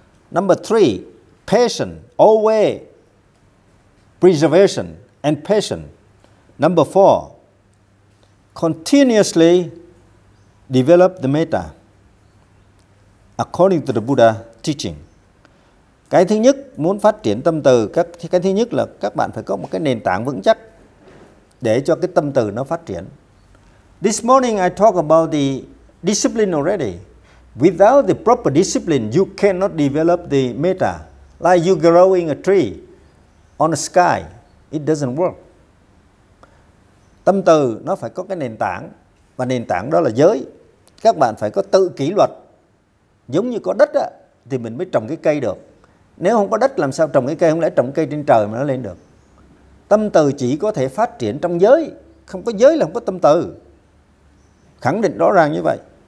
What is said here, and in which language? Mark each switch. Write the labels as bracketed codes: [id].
[en] Number three, patient, always preservation and patient. Number four, continuously develop the metta according to the Buddha teaching. [vi] Cái thứ nhất muốn phát triển tâm từ, cái thứ nhất là các bạn phải có một cái nền tảng vững chắc để cho cái tâm từ nó phát triển. [en] This morning I talk about the discipline already. Without the proper discipline, you cannot develop the metta. Like you growing a tree on the sky, it doesn't work. [vi] Tâm từ nó phải có cái nền tảng, và nền tảng đó là giới. Các bạn phải có tự kỷ luật. Giống như có đất á, thì mình mới trồng cái cây được. Nếu không có đất làm sao trồng cái cây, không lẽ trồng cây trên trời mà nó lên được. Tâm từ chỉ có thể phát triển trong giới, không có giới là không có tâm từ. Khẳng định rõ ràng như vậy.